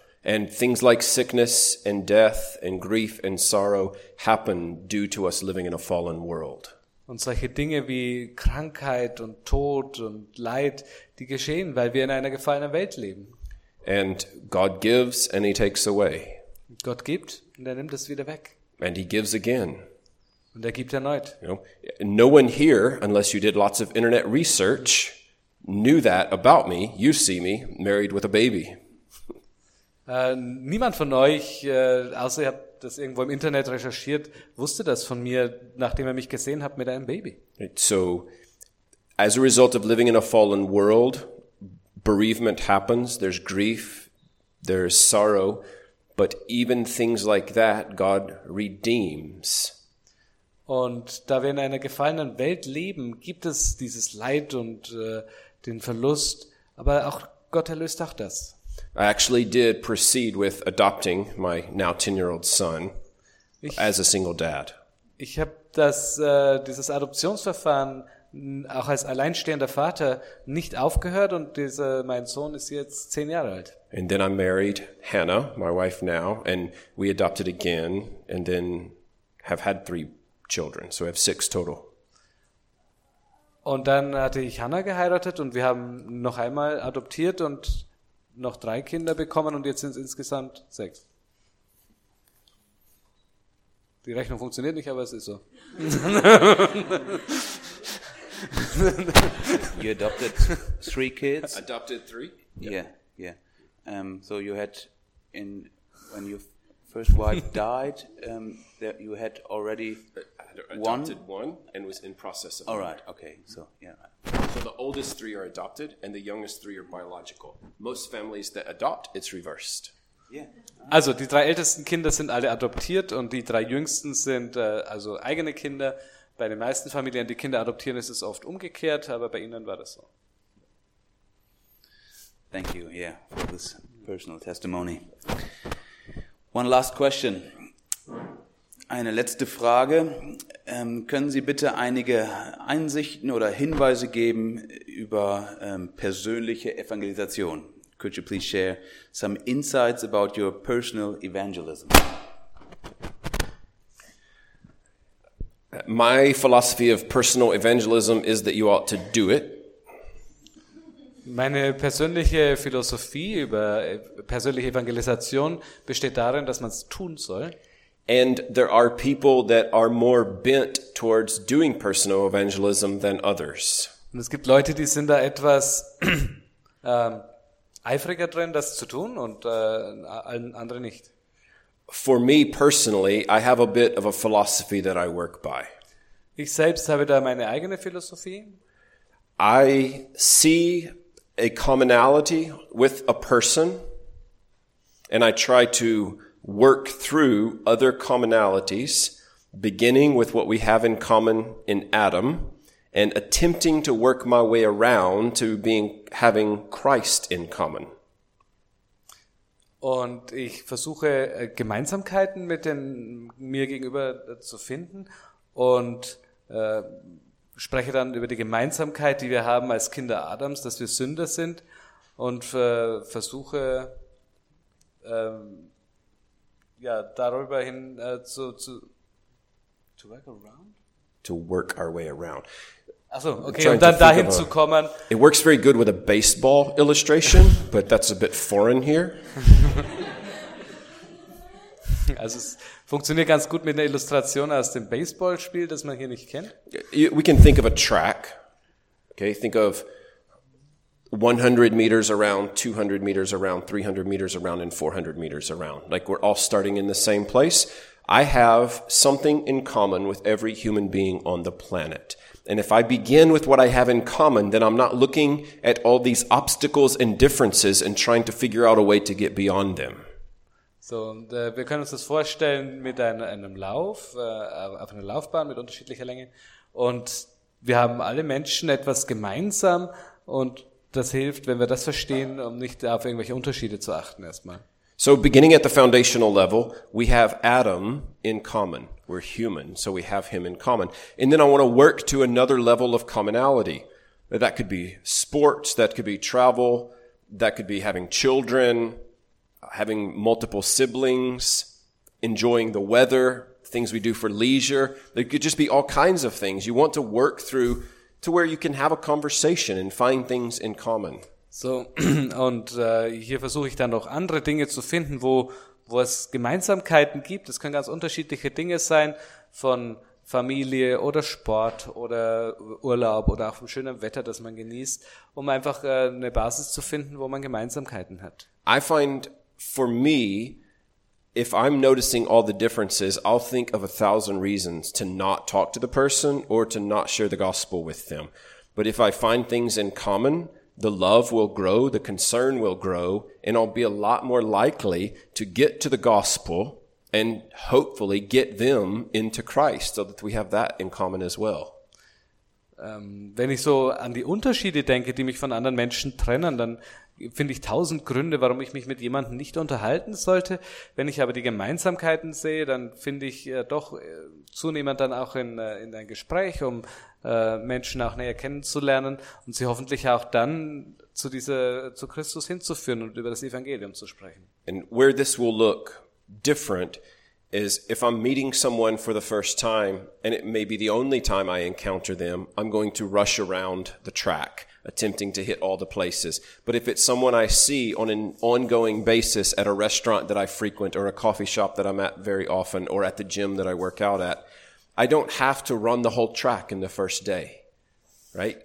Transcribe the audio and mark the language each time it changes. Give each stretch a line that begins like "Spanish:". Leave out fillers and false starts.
English: And things like sickness and death and grief and sorrow happen due to us living in a fallen world.
German: Und solche Dinge wie Krankheit und Tod und Leid, die geschehen, weil wir in einer gefallenen Welt leben.
English: And God gives and he takes away.
German: Gott gibt und er nimmt es wieder weg.
English: And he gives again.
German: Und er gibt erneut.
English: You know, no one here, unless you did lots of internet research, knew that about me. You see me married with a baby.
German: Niemand von euch, außer ihr habt das irgendwo im Internet recherchiert, wusste das von mir, nachdem er mich gesehen hat mit einem Baby.
English: So, as a result of living in a fallen world, bereavement happens. There's grief, there's sorrow, but even things like that, God redeems.
German: Und da wir in einer gefallenen Welt leben, gibt es dieses Leid und den Verlust, aber auch Gott erlöst auch das.
English: I actually did proceed with adopting my now 10-year-old son as a single dad.
German: Ich habe dieses Adoptionsverfahren auch als alleinstehender Vater nicht aufgehört und mein Sohn ist jetzt 10 Jahre alt.
English: And then I married Hannah, my wife now, and we adopted again and then have had 3 children, so we have 6 total.
German: Und dann hatte ich Hannah geheiratet und wir haben noch einmal adoptiert und noch 3 Kinder bekommen und jetzt sind es insgesamt 6. Die Rechnung funktioniert nicht, aber es ist so.
English: You adopted 3 kids? Adopted 3? Yeah. So you had when your first wife died, that you had already adopted one and was in process of. All right, okay. So, yeah. So the oldest 3 are adopted and the youngest 3 are biological. Most families that adopt, it's reversed. Yeah.
German: Also, die 3 ältesten Kinder sind alle adoptiert und die 3 jüngsten sind also eigene Kinder. Bei den meisten Familien, die Kinder adoptieren, ist es oft umgekehrt, aber bei ihnen war das so.
English: Thank you, yeah, for this personal testimony. One last question.
German: Eine letzte Frage. Können Sie bitte einige Einsichten oder Hinweise geben über persönliche Evangelisation?
English: Could you please share some insights about your personal evangelism? My philosophy of personal evangelism is that you ought to do it.
German: Meine persönliche Philosophie über persönliche Evangelisation besteht darin, dass man es tun soll.
English: And there are people that are more bent towards doing personal evangelism than others.
German: Und es gibt Leute, die sind da etwas eifriger drin, das zu tun, und andere nicht.
English: For me personally, I have a bit of a philosophy that I work by.
German: Ich selbst habe da meine eigene Philosophie.
English: I see a commonality with a person, and I try to work through other commonalities, beginning with what we have in common in Adam, and attempting to work my way around to having Christ in common.
German: Und ich versuche, Gemeinsamkeiten mit den mir gegenüber zu finden und spreche dann über die Gemeinsamkeit, die wir haben als Kinder Adams, dass wir Sünder sind, und versuche darüber hin
English: to work around? To work our way around.
German: Achso, okay, und dann dahin zu kommen.
English: It works very good with a baseball illustration, but that's a bit foreign here.
German: Also es funktioniert ganz gut mit einer Illustration aus dem Baseballspiel, das man hier nicht kennt.
English: We can think of a track. Okay, think of 100 meters around, 200 meters around, 300 meters around, and 400 meters around. Like we're all starting in the same place. I have something in common with every human being on the planet. And if I begin with what I have in common, then I'm not looking at all these obstacles and differences and trying to figure out a way to get beyond them.
German: So, und wir können uns das vorstellen mit einem Lauf, auf einer Laufbahn mit unterschiedlicher Länge. Und wir haben alle Menschen etwas gemeinsam und das hilft, wenn wir das verstehen, um nicht auf irgendwelche Unterschiede zu achten erstmal.
English: So beginning at the foundational level, we have Adam in common. We're human, so we have him in common. And then I want to work to another level of commonality. That could be sports, that could be travel, that could be having children, having multiple siblings, enjoying the weather, things we do for leisure. There could just be all kinds of things. You want to work through to where you can have a conversation and find things in common.
German: So, und hier versuche ich dann noch andere Dinge zu finden, wo es Gemeinsamkeiten gibt. Das können ganz unterschiedliche Dinge sein, von Familie oder Sport oder Urlaub oder auch vom schönen Wetter, das man genießt, um einfach eine Basis zu finden, wo man Gemeinsamkeiten hat.
English: I find, for me, if I'm noticing all the differences, I'll think of 1,000 reasons to not talk to the person or to not share the gospel with them. But if I find things in common, the love will grow, the concern will grow, and I'll be a lot more likely to get to the gospel and hopefully get them into Christ, so that we have that in common as well.
German: Wenn ich so an die Unterschiede denke, die mich von anderen Menschen trennen, dann finde ich 1,000 Gründe, warum ich mich mit jemandem nicht unterhalten sollte. Wenn ich aber die Gemeinsamkeiten sehe, dann finde ich doch zunehmend dann auch in ein Gespräch, um Menschen auch näher kennenzulernen und sie hoffentlich auch dann zu Christus hinzuführen und über das Evangelium zu sprechen.
English: And where this will look different is if I'm meeting someone for the first time and it may be the only time I encounter them, I'm going to rush around the track, attempting to hit all the places. But if it's someone I see on an ongoing basis at a restaurant that I frequent or a coffee shop that I'm at very often or at the gym that I work out at, I don't have to run the whole track in the first day, right?